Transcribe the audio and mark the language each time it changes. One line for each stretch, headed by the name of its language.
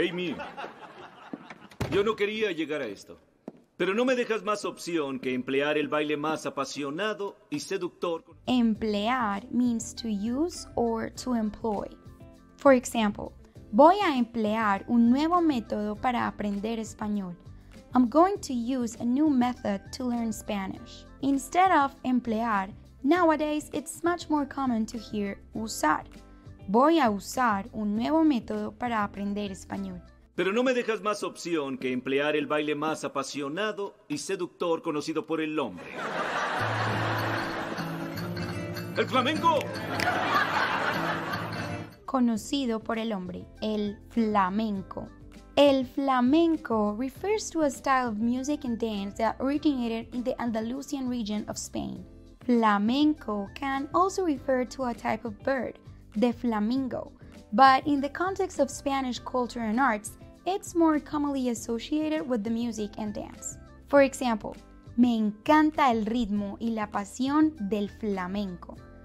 Spanish: Amy, yo no quería llegar a esto. Pero no me dejas más opción que emplear el baile más apasionado y seductor.
English: Emplear means to use or to employ. For example,
Spanish: voy a emplear un nuevo método para aprender español.
English: I'm going to use a new method to learn Spanish. Instead of emplear, nowadays it's much more common to hear usar.
Spanish: Voy a usar un nuevo método para aprender español. Pero no me dejas más opción que emplear el baile más apasionado y seductor conocido por el hombre. ¡El flamenco! Conocido por el hombre, el flamenco.
English: El flamenco refers to a style of music and dance that originated in the Andalusian region of Spain. Flamenco can also refer to a type of bird, the flamingo, but in the context of Spanish culture and arts, it's more commonly associated with the music and dance. For example,
Spanish: me encanta el ritmo y la pasión del flamenco.